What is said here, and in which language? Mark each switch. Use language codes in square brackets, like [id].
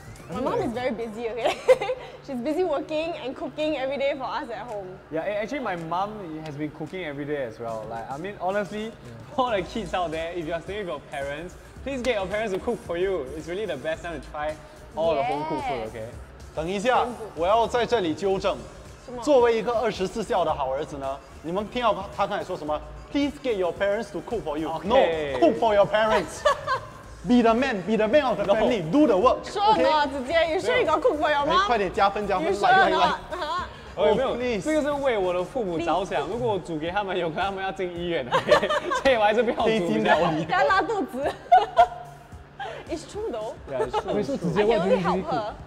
[en] My mom is very busy, okay? She's busy working and cooking every day for us at home. Yeah, actually my mom has been cooking every day as well. Like, I mean, honestly, for the kids out there, if you are staying with your parents, please get your parents to cook for you. It's really the best time to try all the home cooked food, okay? [zh] 等一下，我要在这里纠正。作为一个二十四孝的好儿子呢，你们听到他刚才说什么？ [en] Please get your parents to cook for you. Okay. No, cook for your parents. Be the man, be the man of the family, do the work. [zh] 说什么？子杰，你是一个酷狗有吗？快点加分加分，来来来！哦，没有，这个是为我的父母着想。如果我煮给他们，有可能他们要进医院，所以我还是不要煮。心疗仪，要拉肚子。 [en] It's true though. Yeah, it's true. I can only help her.